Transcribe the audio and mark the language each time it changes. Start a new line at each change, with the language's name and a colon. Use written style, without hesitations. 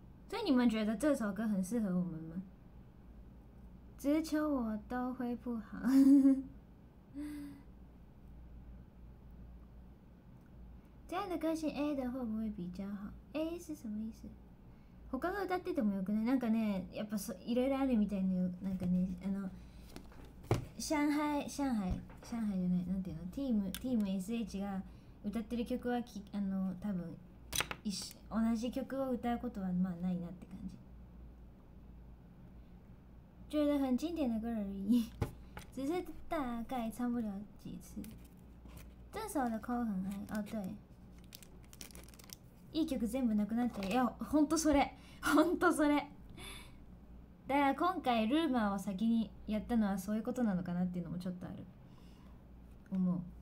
Chinese: 所以你们觉得这首歌很适合我们吗？直球我都挥不好。这样的歌星 A 的会不会比较好？ A 是什么意思？
Japanese: 他が歌っててもよくない？なんかね、やっぱそいろいろあるみたいな、なんかね、あの上海じゃない、なんていうの、Team SH が歌ってる曲はき、あの多分一緒、同じ曲を歌うことはまあないなって感じ。
Chinese: 觉得很经典的歌而已，只是大概唱不了几次。这首的 call 很嗨，哦对。
Japanese: いい曲全部なくなって、いや本当それ本当それ、だから今回ルーマーを先にやったのはそういうことなのかなっていうのもちょっとある思う。